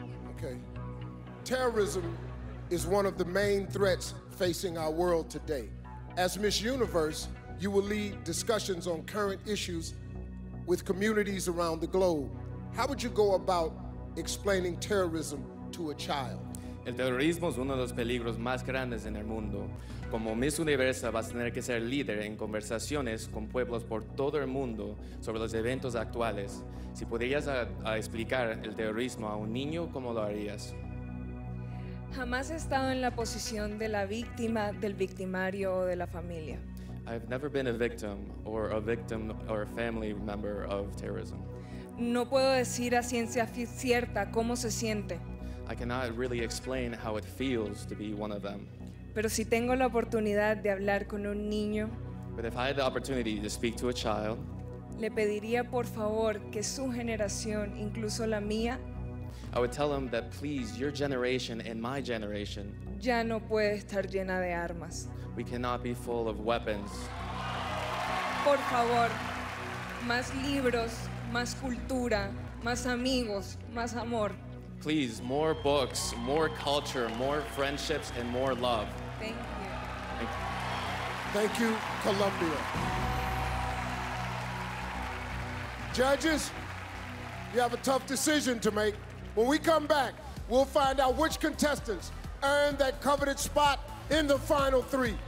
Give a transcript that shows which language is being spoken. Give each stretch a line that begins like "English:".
English: Okay. Terrorism is one of the main threats facing our world today. As Miss Universe, you will lead discussions on current issues with communities around the globe. How would you go about explaining terrorism to a child?
Spanish: El terrorismo es uno de los peligros más grandes en el mundo. Como Miss Universo vas a tener que ser líder en conversaciones con pueblos por todo el mundo sobre los eventos actuales. Si pudieras explicar el terrorismo a un niño, ¿cómo lo harías? Jamás he estado en la posición de la víctima, del victimario o de la familia.
English: I've never been a victim or a family member of terrorism.
Spanish: No puedo decir a ciencia cierta cómo se siente.
English: I cannot really explain how it feels to be one of them.
Spanish: Pero si tengo la oportunidad de hablar con un niño,
English: but if I had the opportunity to speak to a child,
Spanish: le pediría por favor que su generación, incluso la mía,
English: I would tell them that please, your generation and my generation,
Spanish: ya no puede estar llena de armas.
English: We cannot be full of weapons.
Spanish: Por favor, más libros, más cultura, más amigos, más amor.
English: Please, more books, more culture, more friendships, and more love. Thank you. Thank you, Colombia. Judges, you have a tough decision to make. When we come back, we'll find out which contestants earned that coveted spot in the final three.